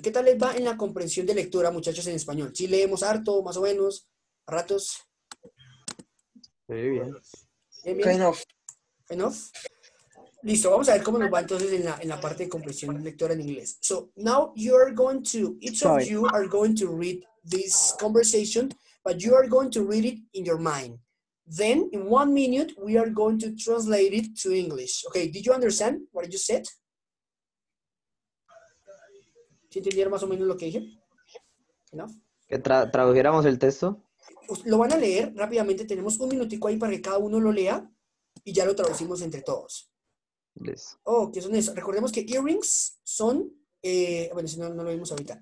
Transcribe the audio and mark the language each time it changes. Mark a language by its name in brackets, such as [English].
[Spanish] ¿Qué tal les va en la comprensión de lectura, muchachos, en español? ¿Sí leemos harto, más o menos, a ratos? Muy bien. [English] ¿Kind of? [Spanish] Listo, vamos a ver cómo nos va entonces en la parte de comprensión lectora en inglés. [English] So, now you are going to, each of you are going to read this conversation, but you are going to read it in your mind. Then, in 1 minute, we are going to translate it to English. Okay, did you understand what you said? [Spanish] ¿Sí entendieron más o menos lo que dije? ¿No? Que tradujéramos el texto. Lo van a leer rápidamente. Tenemos un minutico ahí para que cada uno lo lea y ya lo traducimos entre todos. Listo. Oh, ¿qué son eso? Recordemos que earrings son... bueno, si no lo vimos ahorita.